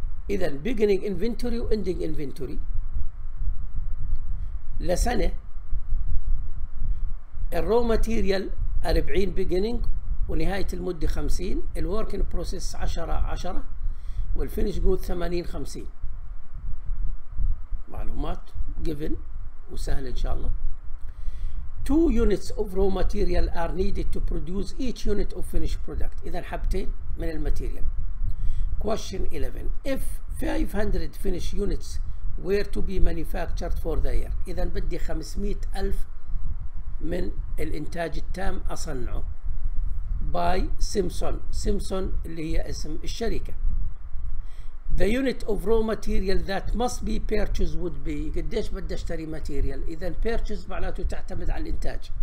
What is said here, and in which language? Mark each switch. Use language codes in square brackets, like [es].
[ar] اذا بيجينينج انفنتوري واندينج انفنتوري لسنة الرو ماتيريال 40 بيجينينج ونهاية المدة 50 الوركن بروسيس 10 والفينش جود 80-50 معلومات جيفن وسهلة إن شاء الله [en] two units of raw material are needed to produce each unit of finished product. [ar] إذا حبتين من الماتيريال. [en] Question 11. If 500 finished units were to be manufactured for the year. [ar] إذا بدي 500,000 من الإنتاج التام أصنعه. [en] By Simpson. [ar] Simpson اللي هي اسم الشركة. [en] The unit of raw material that must be purchased would be [ar] قديش بدي اشتري ماتيريال؟ إذا purchase معناته تعتمد على الإنتاج.